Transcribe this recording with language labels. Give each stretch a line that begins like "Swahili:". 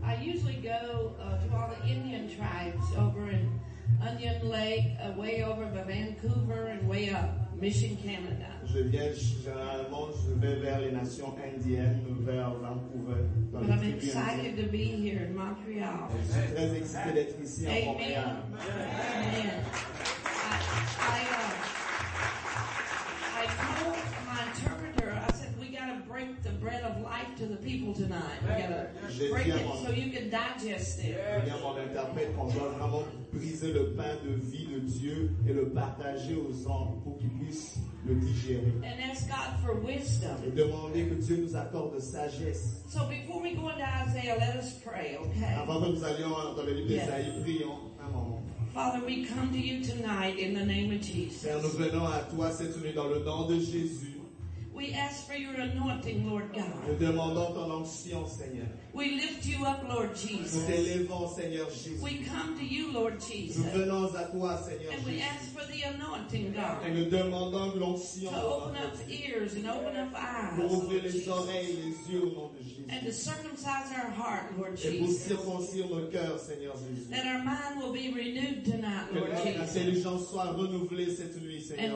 English: I usually go to all the Indian tribes over in Onion Lake, way over by Vancouver and way up. Mission Canada.
French: Je viens généralement, je vais vers les nations indiennes, vers Vancouver.
English: But I'm excited to be here in Montreal.
French: Je suis très excité d'être ici
English: Amen.
French: À Montréal.
English: Amen. I told my interpreter, I said, we got to break the bread of life to the people tonight. We got to break it so you can digest it.
French: Je viens mon interprète qu'on doit vraiment briser le pain de vie de Dieu et le partager aux hommes pour qu'ils puissent le digérer.
English: And ask God for wisdom.
French: Et demander que Dieu nous accorde sagesse.
English: So before we go into Isaiah, let us pray, okay?
French: Avant que nous allions dans le livre d'Isaïe, yes. prions un moment.
English: Father, we come to you tonight in the name of Jesus.
French: Père, nous venons à toi cette nuit dans le nom de Jésus.
English: We ask for your anointing, Lord God.
French: Nous demandons ton onction, Seigneur.
English: We lift you up, Lord Jesus.
French: Nous t'élevons, Seigneur Jésus.
English: We come to you, Lord Jesus.
French: Nous venons à toi, Seigneur
English: Jésus. And we ask for the anointing, God.
French: Et nous demandons l'onction.
English: To open up ears and open up eyes.
French: Pour ouvrir les oreilles et les yeux au nom de Jésus.
English: And to circumcise our heart, Lord Jesus.
French: Et pour circoncire nos cœurs, Seigneur Jésus.
English: That our mind will be renewed tonight, Lord Jesus.
French: Que notre intelligence soit renouvelée cette nuit, Seigneur Jésus.